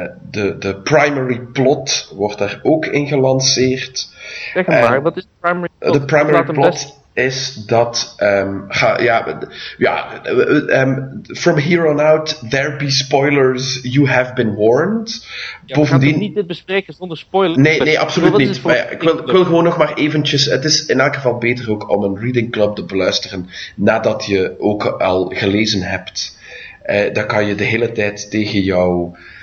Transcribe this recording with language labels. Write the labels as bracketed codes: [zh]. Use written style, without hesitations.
[nl] De primary plot wordt daar ook in gelanceerd. Zeg maar, wat is de primary plot? De primary plot is dat... [en] from here on out, there be spoilers, you have been warned. [nl] Ja, bovendien, we gaan niet dit bespreken zonder spoilers. Nee, absoluut niet. Maar ja, ik wil gewoon nog maar eventjes... Het is in elk geval beter ook om een reading club te beluisteren nadat je ook al gelezen hebt. Dan kan je de hele tijd tegen jou...